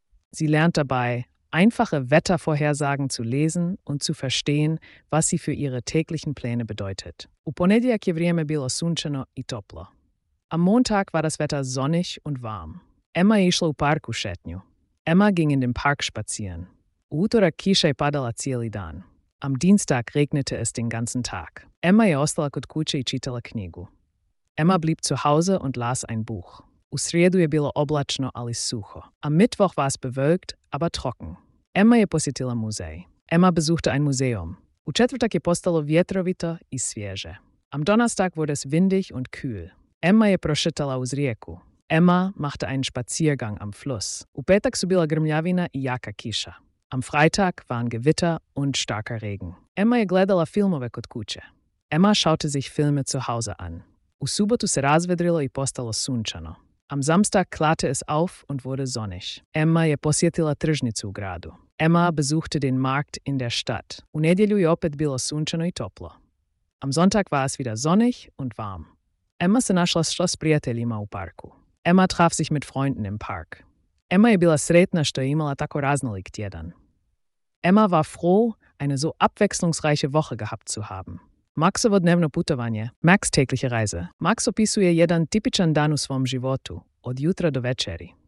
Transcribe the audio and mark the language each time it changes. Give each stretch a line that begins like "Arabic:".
German: Sie lernt dabei, einfache Wettervorhersagen zu lesen und zu verstehen, was sie für ihre täglichen Pläne bedeutet.
Croatian: U ponedjeljak je vrijeme bilo sunčano i toplo.
German: Am Montag war das Wetter sonnig und warm.
Croatian: Emma išla u parku šetnju.
German: Emma ging in den Park spazieren.
Croatian: U utorak kiša je padala cijeli dan.
German: Am Dienstag regnete es den ganzen Tag.
Croatian: Emma je ostala kod kuće i čitala knjigu.
German: Emma blieb zu Hause und las ein Buch.
Croatian: U srijedu je bilo oblačno, ali suho.
German: Am Mittwoch war es bewölkt, aber trocken.
Croatian: Emma je posjetila muzej.
German: Emma besuchte ein Museum.
Croatian: U četvrtak je postalo vjetrovito i svježe.
German: Am Donnerstag wurde es windig und kühl.
Croatian: Emma je prošetala uz rijeku.
German: Emma machte einen Spaziergang am Fluss.
Croatian: U petak su bila grmljavina i jaka kiša.
German: Am Freitag waren Gewitter und starker Regen.
Croatian: Emma je gledala filmove kod kuće.
German: Emma schaute sich Filme zu Hause an.
Croatian: U subotu se razvedrilo i postalo sunčano.
German: Am Samstag klarte es auf und wurde sonnig.
Croatian: Emma je posjetila tržnicu u gradu.
German: Emma besuchte den Markt in der Stadt.
Croatian: U nedjelju je opet bilo sunčano i toplo.
German: Am Sonntag war es wieder sonnig und warm.
Croatian: Emma se našla s Schloss prijateljima u parku.
German: Emma traf sich mit Freunden im Park.
Croatian: Emma je bila sretna što je imala tako raznolik tjedan.
German: Emma war froh, eine so abwechslungsreiche Woche gehabt zu haben.
Croatian: Maxovo dnevno putovanje,
German: Max tägliche Reise.
Croatian: Max opisuje jedan tipičan dan u svom životu, od jutra do večeri.